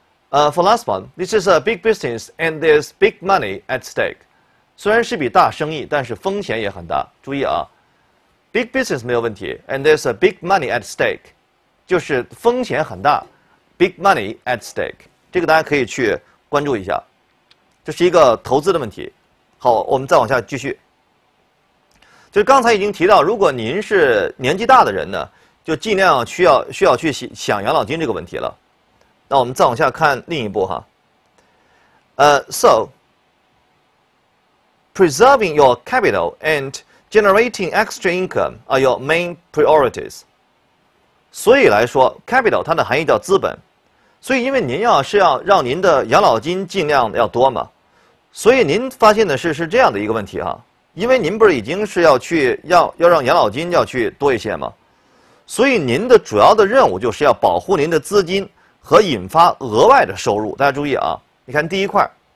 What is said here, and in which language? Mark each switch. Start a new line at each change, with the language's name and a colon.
English: For last one， this is a big business and there's big money at stake。
Chinese: 虽然是笔大生意，但是风险也很大。注意啊 ，big business 没有问题 ，
English: and there's a big money at stake，
Chinese: 就是风险很大 ，
English: big money at stake，
Chinese: 这个大家可以去关注一下。这是一个投资的问题。好，我们再往下继续。就刚才已经提到，如果您是年纪大的人呢，就尽量需要去想养老金这个问题了。那我们再往下看另一步哈。
English: So。 Preserving your capital and generating extra income are your main priorities.
Chinese: 所以来说 ，capital 它的含义叫资本。所以，因为您要是要让您的养老金尽量要多嘛，所以您发现的是这样的一个问题哈。因为您不是已经是要去要让养老金要去多一些嘛，所以您的主要的任务就是要保护您的资金和引发额外的收入。大家注意啊，你看第一块。